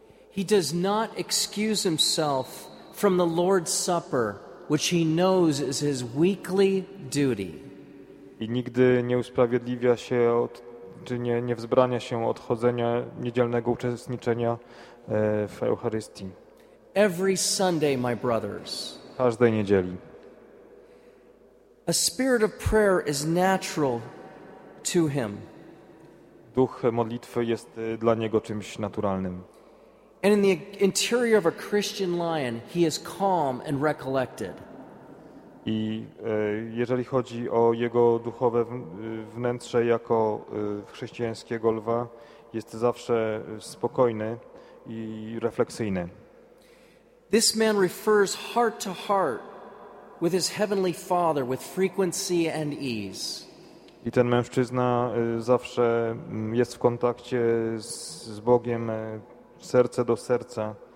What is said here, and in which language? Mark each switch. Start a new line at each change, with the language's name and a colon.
English: He does not excuse himself from the Lord's Supper, which he knows is his weekly duty.
Polish: I nigdy nie usprawiedliwia się nie wzbrania się od chodzenia niedzielnego uczestniczenia w Eucharystii.
English: Every Sunday, my brothers.
Polish: Każdej niedzieli.
English: A spirit of prayer is natural to him.
Polish: Duch modlitwy jest dla niego czymś naturalnym.
English: And in the interior of a Christian lion, he is calm and recollected.
Polish: I jeżeli chodzi o jego duchowe wnętrze jako chrześcijańskiego lwa, jest zawsze spokojny i refleksyjny.
English: This man refers heart to heart with his heavenly Father with frequency and ease.
Polish: I ten mężczyzna zawsze jest w kontakcie z Bogiem serce do serca.